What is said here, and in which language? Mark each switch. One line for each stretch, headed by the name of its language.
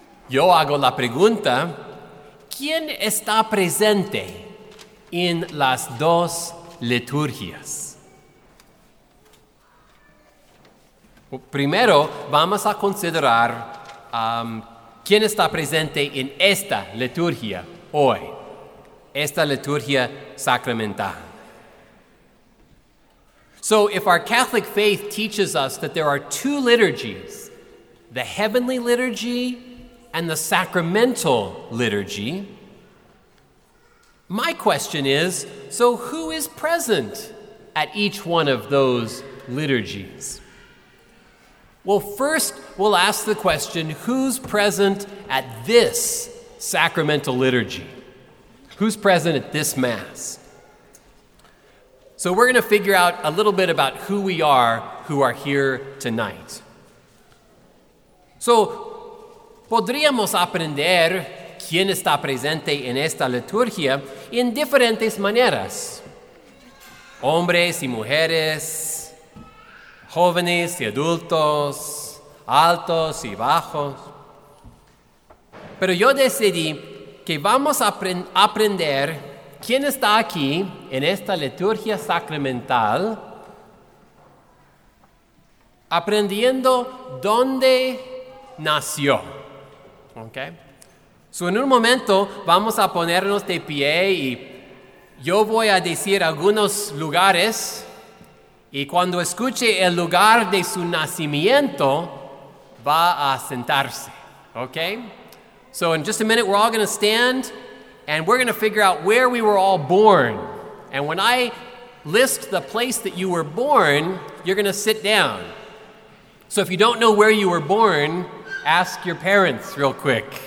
Spanish: Yo hago la pregunta, ¿quién está presente en las dos liturgias? Primero, vamos a considerar quién está presente en esta liturgia hoy, esta liturgia sacramental.
English: So, if our Catholic faith teaches us that there are two liturgies, the heavenly liturgy and the sacramental liturgy, my question is, so who is present at each one of those liturgies? Well, first we'll ask the question, who's present at this sacramental liturgy? Who's present at this Mass? So we're going to figure out a little bit about who we are who are here tonight.
Spanish: So, podríamos aprender quién está presente en esta liturgia en diferentes maneras. Hombres y mujeres, jóvenes y adultos, altos y bajos. Pero yo decidí que vamos a aprender quién está aquí en esta liturgia sacramental, aprendiendo dónde nació. Okay. So en un momento vamos a ponernos de pie y yo voy a decir algunos lugares y cuando escuche el lugar de su nacimiento va a sentarse.
English: Okay. So in just a minute we're all going to stand and we're going to figure out where we were all born. And when I list the place that you were born, you're going to sit down. So if you don't know where you were born, ask your parents real quick.